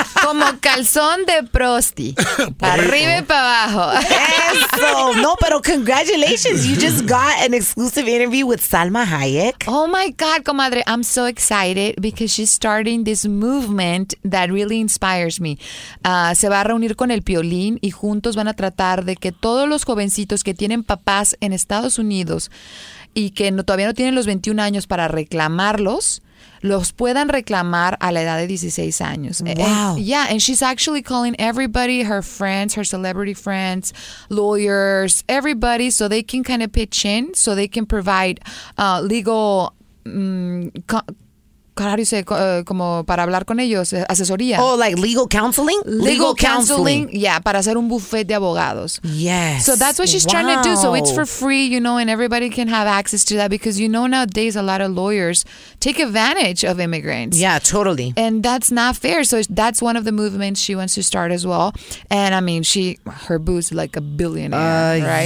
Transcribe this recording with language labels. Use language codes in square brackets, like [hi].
[es] Como calzón de prosti. Arriba y para abajo. Eso. No, pero [en] congratulations. You just got an exclusive interview with Salma Hayek. Oh my God, comadre. I'm so excited because she's starting this movement that really inspires me. [es] Se va a reunir con el Piolín y juntos van a tratar de que todos los jovencitos que tienen papás en Estados Unidos y que todavía no tienen los 21 años para reclamarlos, los puedan reclamar a la edad de 16 años. [en] Wow. And she's actually calling everybody, her friends, her celebrity friends, lawyers, everybody, so they can kind of pitch in, so they can provide legal, how do you say, [es] como para hablar con ellos, asesoría. [en] Oh, like legal counseling? Legal counseling, [es] para hacer un buffet de abogados. [en] Yes. So that's what she's trying to do. So it's for free, you know, and everybody can have access to that because, you know, nowadays a lot of lawyers take advantage of immigrants. Yeah, totally. And that's not fair. So that's one of the movements she wants to start as well. And I mean, her boo's like a billionaire, right?